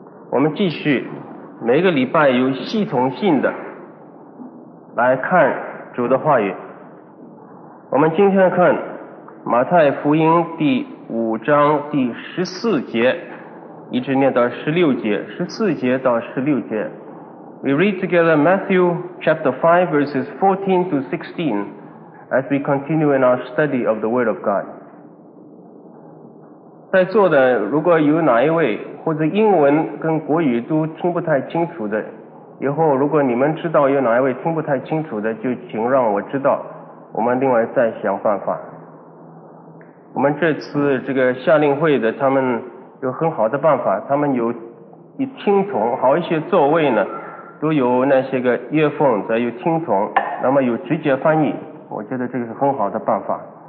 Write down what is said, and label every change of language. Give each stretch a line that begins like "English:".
Chinese: 我们继续每个礼拜有系统性的来看主的话语。我们今天看马太福音第五章第十四节，一直念到十六节，十四节到十六节。
English: We read together Matthew chapter 5 verses 14 to 16 as we continue in our study of the Word of God.
Chinese: 在座的如果有哪一位或者英文跟国语都听不太清楚的，以后如果你们知道有哪一位听不太清楚的，就请让我知道，我们另外再想办法。我们这次这个夏令会的他们有很好的办法，他们有听筒，好一些座位呢都有那些个月份在有听筒，那么有直接翻译，我觉得这个是很好的办法。